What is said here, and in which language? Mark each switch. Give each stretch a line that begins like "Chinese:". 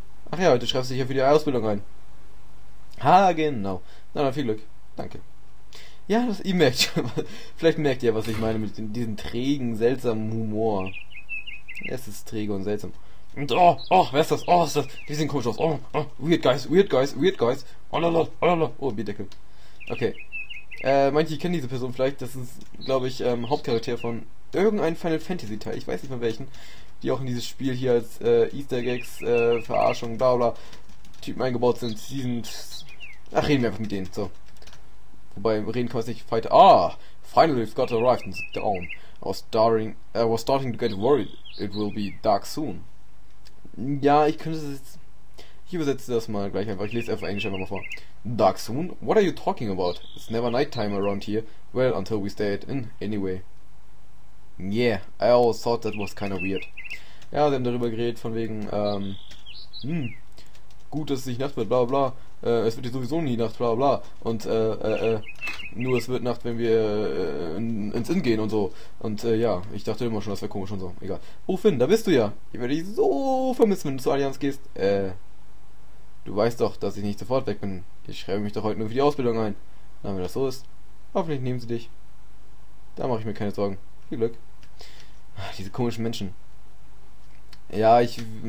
German: Ach ja, heute schreibst du dich ja für die Ausbildung ein. Ha, genau. Na, dann viel Glück. Danke. Ja, das, ihr merkt schon. Vielleicht merkt ihr, was ich meine mit diesem trägen, seltsamen Humor. Es ist träge und seltsam. Und oh, oh, wer ist das? Oh, ist das? Die sehen komisch aus.
English: Oh, oh, weird guys, weird guys, weird guys. Oh, lala, oh, lala.
German: Oh, Bierdeckel. Okay. Manche kennen diese Person vielleicht. Das ist, glaube ich, Hauptcharakter von irgendeinem Final Fantasy Teil. Ich weiß nicht von welchen. Die auch in dieses Spiel hier als Easter Eggs, Verarschung, bla bla, Typen eingebaut sind. Sie sind. Ach, reden wir einfach mit denen, so. Wobei, reden kann man sich nicht. Ah!
English: Finally, we've got arrived in the dawn. I was starting to get worried. It will be dark soon.
German: Ja, ich könnte das jetzt. Ich übersetze das mal gleich einfach. Ich lese es einfach Englisch einfach mal vor.
English: Dark soon? What are you talking about? It's never nighttime around here. Well, until we stayed in, anyway. Yeah, I always thought that was kind of weird.
German: Ja, sie haben darüber geredet, von wegen, gut, dass es nicht Nacht wird, bla bla, es wird ja sowieso nie Nacht, bla bla, und, nur es wird Nacht, wenn wir, ins Inn gehen und so, und, ja, ich dachte immer schon, das wäre komisch und so, egal. Oh, Finn, da bist du ja, ich werde dich so vermissen, wenn du zur Allianz gehst, du weißt doch, dass ich nicht sofort weg bin, ich schreibe mich doch heute nur für die Ausbildung ein, na, wenn das so ist, hoffentlich nehmen sie dich, da mache ich mir keine Sorgen, viel Glück. Ach, diese komischen Menschen. Ja, ich.